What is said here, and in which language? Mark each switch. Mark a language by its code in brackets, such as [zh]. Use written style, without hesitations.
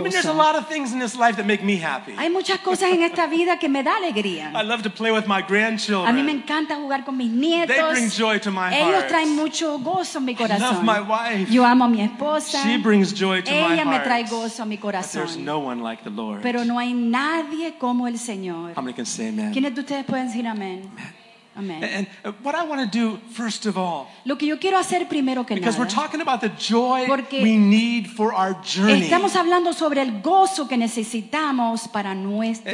[en] I mean, there's a lot of things in this life that make me happy. [es] Hay muchas cosas en esta vida que me da alegría. [en] I love to play with my grandchildren. [es] A mí me encanta jugar con mis nietos. [en] They bring joy to my [es] ellos [en] heart. [es] Traen mucho gozo a mi corazón. [en] I love my wife. [es] Yo amo a mi esposa. [en] She brings joy to [es] ella [en] my heart. [es] Ella me trae gozo a mi corazón. [en] But there's no one like the Lord. [es] Pero no hay nadie como el Señor. [en] How many can say amen? [es] ¿Quiénes de ustedes pueden decir amén? [en] Amen. And what I want to do first of all, [es] lo que yo quiero hacer primero que [en] because [es] nada, [en] we're talking about the joy we need for our journey. [es] Estamos hablando sobre el gozo que necesitamos para nuestro